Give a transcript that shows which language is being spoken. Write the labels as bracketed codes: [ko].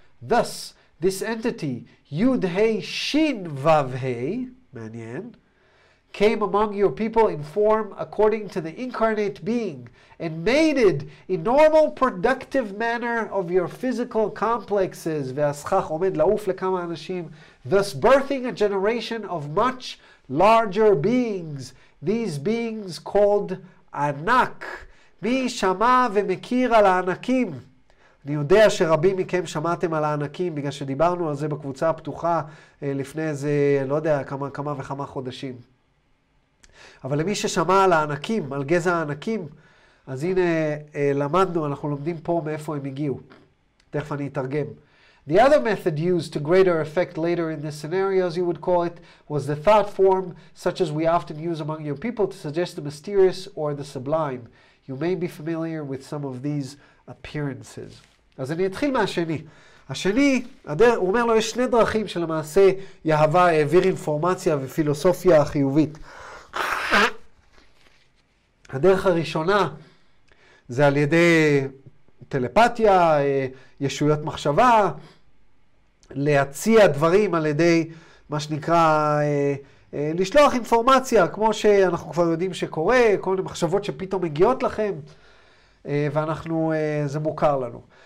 [en] Thus, this entity, Yud Hei Shin Vav Hei, [he] מעניין, [en] came among your people in form according to the incarnate being and mated in normal productive manner of your physical complexes [he] והשכח עומד לעוף לכמה אנשים, [en] thus birthing a generation of much larger beings, these beings called ענק. [he] מי שמע ומכיר על הענקים? אני יודע שרבים מכם שמעתם על הענקים בגלל שדיברנו על זה בקבוצה הפתוחה לפני איזה, לא יודע, כמה וכמה חודשים. אבל למי ששמע על הענקים, על גזע הענקים, אז הנה למדנו, אנחנו לומדים פה מאיפה הם הגיעו. תכף אני אתרגם. [en] The other method used to greater effect later in this scenario, as you would call it, was the thought form, such as we often use among your people to suggest the mysterious or the sublime. You may be familiar with some of these appearances. [he] אז אני אתחיל מהשני. השני, הוא אומר לו, יש שני דרכים שלמעשה יהבה העביר אינפורמציה ופילוסופיה חיובית. הדרך הראשונה זה על ידי טלפתיה, ישויות מחשבה, להציע דברים על ידי מה שנקרא לשלוח אינפורמציה, כמו שאנחנו כבר יודעים שקורה, כל מיני מחשבות שפתאום מגיעות לכם, ואנחנו, זה מוכר לנו.